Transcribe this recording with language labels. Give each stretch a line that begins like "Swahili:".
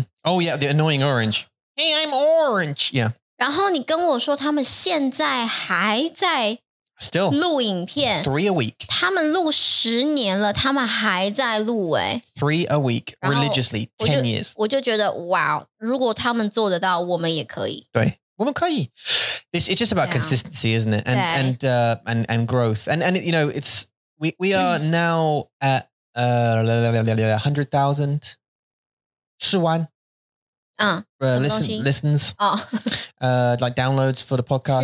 English: Oh yeah, the annoying Orange Hey, I'm Orange Yeah
Chinese: 然后你跟我说他们现在还在
English: Still
Chinese: 录影片
English: Three a week
Chinese: 他们录10年了 他们还在录诶
English: Three a week Religiously 10 years
Chinese: 我就觉得 Wow 如果他们做得到 我们也可以对 我们可以
English: It's just about yeah. consistency isn't it and, and growth and you know it's we are now at 100,000
Chinese: 10万
English: listens oh. like downloads for the podcast